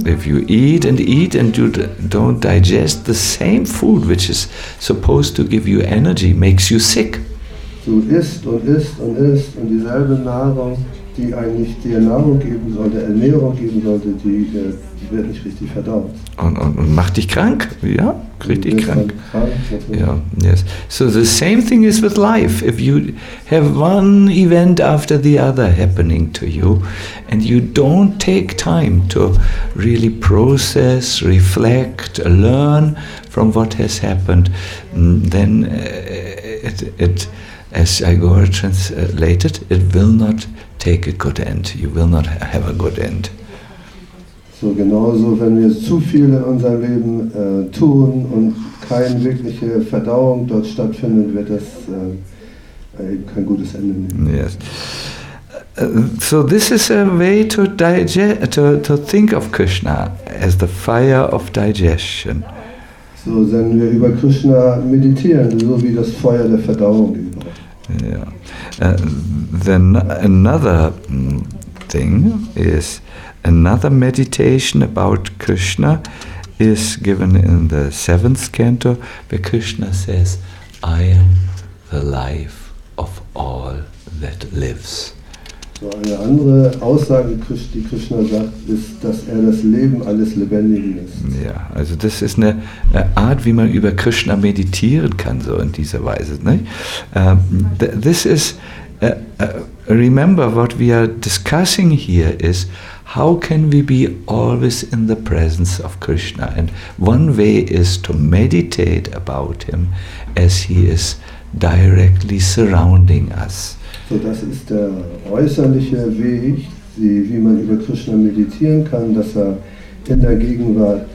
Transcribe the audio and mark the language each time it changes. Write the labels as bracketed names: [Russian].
[English] If you eat and eat and you don't digest the same food, which is supposed to give you energy, makes you sick. [German] Du isst und isst und isst und dieselbe Nahrung, die eigentlich dir Nahrung geben sollte, Ernährung geben sollte, die wird nicht richtig verdaut. Und macht dich krank, ja? Richtig krank. Krank, [English] yeah, yes. So the same thing is with life. If you have one event after the other happening to you and you don't take time to really process, reflect, learn from what has happened, then it as I go translated, it will not take a good end. You will not have a good end. [German] So genauso, wenn wir zu viel in unserem Leben tun und keine wirkliche Verdauung dort stattfindet, wird das kein gutes Ende nehmen. [English] Yes. So this is a way to to think of Krishna as the fire of digestion. [German] So wenn wir über Krishna meditieren, so wie das Feuer der Verdauung über. [English] Yeah. Then another thing is another meditation about Krishna is given in the 7th canto, where Krishna says, "I am the life of all that lives." [German] So eine andere Aussage, die Krishna sagt, ist, dass er das Leben alles Lebendigen ist. Ja, also das ist eine Art, wie man über Krishna meditieren kann, so in dieser Weise. Ne? [English] This is, remember what we are discussing here is, how can we be always in the presence of Krishna? And one way is to meditate about him, as he is directly surrounding us. [German] So das ist der äußerliche Weg, wie man über Krishna meditieren kann, dass er in der Gegenwart